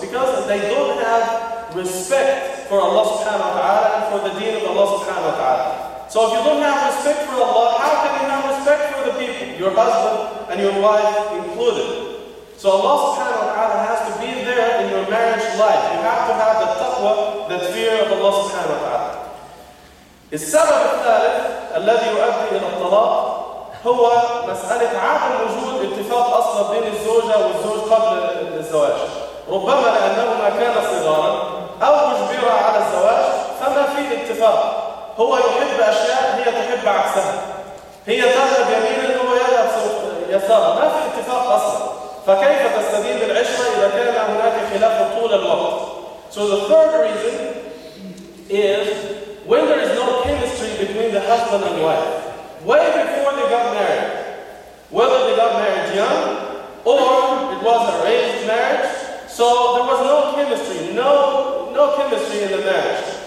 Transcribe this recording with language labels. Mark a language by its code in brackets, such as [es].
[en] Because they don't have respect for Allah [ar] subhanahu wa ta'ala [en] and for the deen of Allah subhanahu wa ta'ala. So if you don't have respect for Allah, how can you have respect for the people? Your husband and your wife included. So Allah [ar] subhanahu wa ta'ala [en] has to be there in your marriage life. You have to have the taqwa, the fear of Allah [ar] subhanahu wa ta'ala. السبب الثالث الذي يؤدي إلى الطلاق هو مسألة عدم وجود اتفاق أصلا بين الزوجة والزوج قبل الزواج. ربما لأنهما كانا صغارا أو مجبرا على الزواج فما في اتفاق. هو يحب أشياء هي تحب عكسها. هي تذهب يمينا وهو يذهب يسارا. ما في اتفاق أصلا. فكيف تستدين العشرة إذا كان هناك خلاف طول الوقت؟ [en] So the third reason is when there is no chemistry between the husband and wife. Way before they got married, whether they got married young or it was an arranged marriage, so there was no chemistry, no chemistry in the marriage.